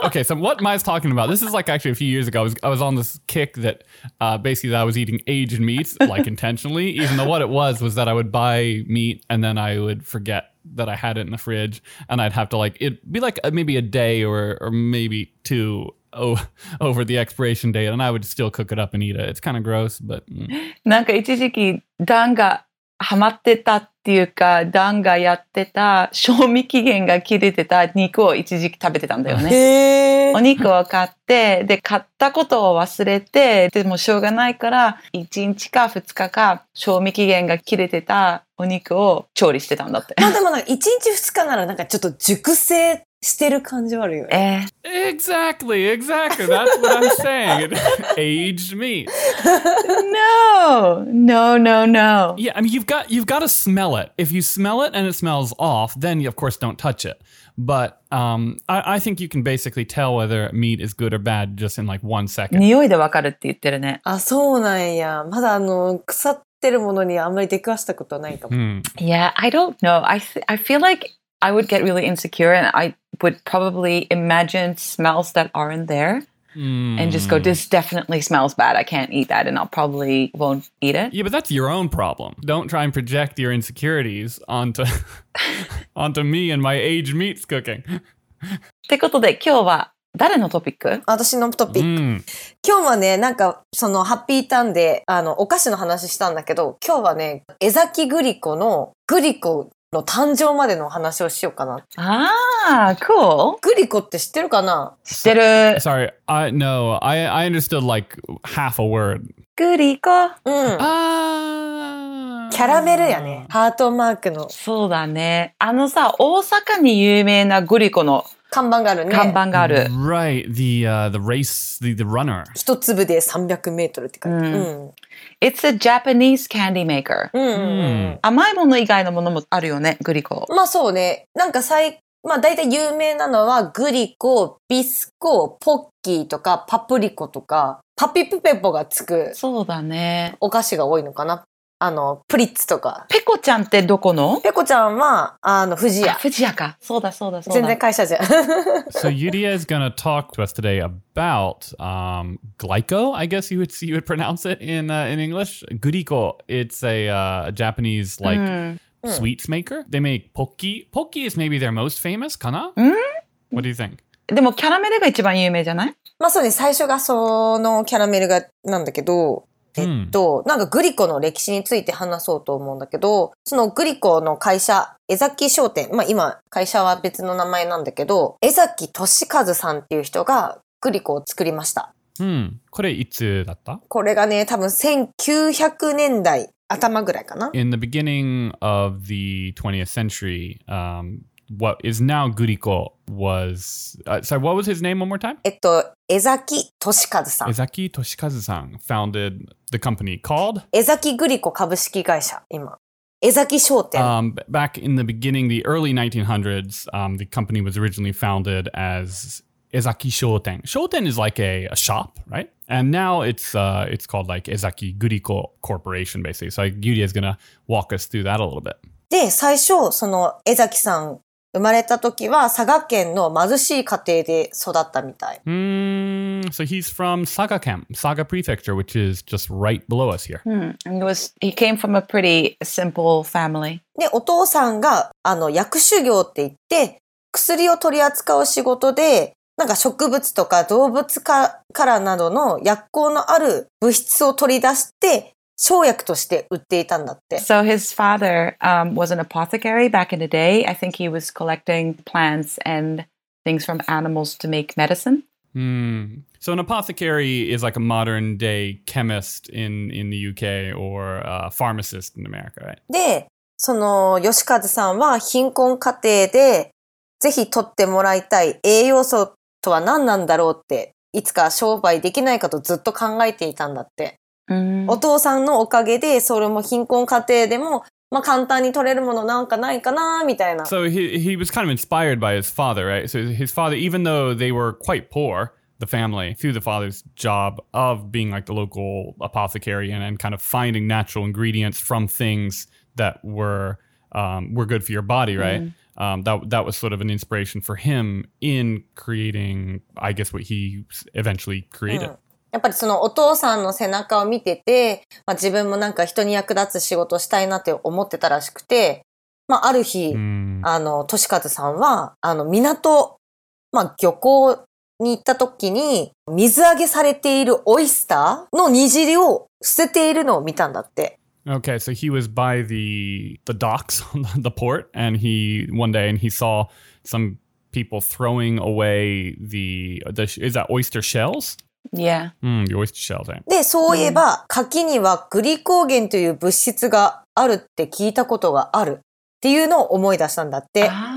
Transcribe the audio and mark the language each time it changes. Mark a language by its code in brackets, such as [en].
[en] Okay, so what Mai's talking about, this is like actually a few years ago, I was on this kick that basically that I was eating aged meat, like intentionally, even though what it was that I would buy meat and then I would forget. That I had it in the fridge, and I'd have to like it be like maybe a day or maybe two over the expiration date, and I would still cook it up and eat it. It's kind of gross, but. [ja] なんか一時期ダンがハマってたっていうか、ダンがやってた賞味期限が切れてた肉を一時期食べてたんだよね。お肉を買ってで買ったことを忘れてでもしょうがないから1日か2日か賞味期限が切れてた。お肉を調理してたんだって。まあでもなんか1日2日ならなんかちょっと熟成してる感じはあるよね。 [en] Exactly, exactly. That's what I'm saying. Aged meat. No, no, no, no. Yeah, I mean you've got to smell it. If you smell it and it smells off, then you, of course don't touch it. But I think you can basically tell whether meat is good or bad just in like 1 second. [ja] 匂いでわかるって言ってるね。あ、そうなんや。まだ腐ってってるものにあんまり出くわしたことはないかも。 [en] Yeah, I don't know. I feel like I would get really insecure and I would probably imagine smells that aren't there. And just go, this definitely smells bad. I can't eat that and I'll probably won't eat it. Yeah, but that's your own problem. Don't try and project your insecurities onto me and my aged meats cooking. [ja] ってことで今日は誰のトピック？私のトピック。今日はね、なんか、そのハッピーターンで、お菓子の話したんだけど、今日はね、江崎グリコのグリコの誕生までの話をしようかな。ああ、cool。グリコって知ってるかな？知ってる。 [en] Sorry, I no, I understood like half a word。 [ja] グリコ。うん。ああ。キャラメルやね。ハートマークの。そうだね。あのさ、大阪に有名なグリコの看板があるね。看板がある。 [en] Right, the race, the runner。 [ja] 一粒で300メートルって書いてある。うん。 [en] It's a Japanese candy maker. [ja] うん、甘いもの以外のものもあるよね、グリコ。まあそうね。なんか最、まあ大体有名なのはグリコ、ビスコ、ポッキーとかパプリコとか、パピプペポがつく。そうだね。お菓子が多いのかな。あの、プリッツとか。ペコちゃんってどこの？ペコちゃんは、あの、富士屋。富士屋か。そうだそうだそうだ。全然会社じゃん。 [en] So Yuria is gonna talk to us today about, Glico, I guess you would pronounce it in English. Glico. It's a Japanese, like, sweets maker. They make pokki. Pokki is maybe their most famous, [ja] かな？ん？ [en] What do you think? [ja] でもキャラメルが一番有名じゃない？まあそうね。最初がそのキャラメルがなんだけど、なんかグリコの歴史について話そうと思うんだけど、そのグリコの会社、江崎商店、まあ今会社は別の名前なんだけど、江崎俊和さんっていう人がグリコを作りました。うん。これいつだった？これがね、多分1900年代頭ぐらいかな。 [en] In the beginning of the 20th century, what is now Glico was... sorry, what was his name one more time? [ja] 江崎俊和さん。 [en] 江崎俊和さん founded the company called? [ja] 江崎グリコ株式会社、今。江崎商店。 [en] Back in the beginning, the early 1900s, the company was originally founded as 江崎商店。商店 is like a shop, right? And now it's called like 江崎グリコ Corporation, basically. So Yuria is going to walk us through that a little bit. [ja] で、最初、その江崎さん生まれた時は佐賀県の貧しい家庭で育ったみたい。 [en] Mm, so he's from Saga 県, Saga Prefecture, which is just right below us here. And he came from a pretty simple family. [ja] で、お父さんが薬種業って言って薬を取り扱う仕事で、なんか植物とか動物からなどの薬効のある物質を取り出して生薬として売っていたんだって。 [en] So his father, was an apothecary back in the day. I think he was collecting plants and things from animals to make medicine. Hmm. So an apothecary is like a modern day chemist in the UK or a pharmacist in America, right? [ja] で、その吉和さんは貧困家庭でぜひ取ってもらいたい栄養素とは何なんだろうっていつか商売できないかとずっと考えていたんだって。お父さんのおかげで、それも貧困家庭でも、まあ、簡単に取れるものなんかないかなみたいな。 [en] So he was kind of inspired by his father, right? So his father, even though they were quite poor, the family, through the father's job of being like the local apothecary and kind of finding natural ingredients from things that were good for your body, right? That was sort of an inspiration for him in creating, I guess, what he eventually created. [ja] やっぱりそのお父さんの背中を見てて、まあ、自分もなんか人に役立つ仕事をしたいなって思ってたらしくて、まあ、ある日、俊和さんは、港、まあ、漁港に行った時に、水揚げされているオイスターの煮汁を捨てているのを見たんだって。 [en] Okay, so he was by the docks, the port, and he, one day, and he saw some people throwing away is that oyster shells? Yeah. The oyster shell thing. [ja] で、そういえば、柿にはグリコーゲンという物質があるって聞いたことがあるっていうのを思い出したんだって。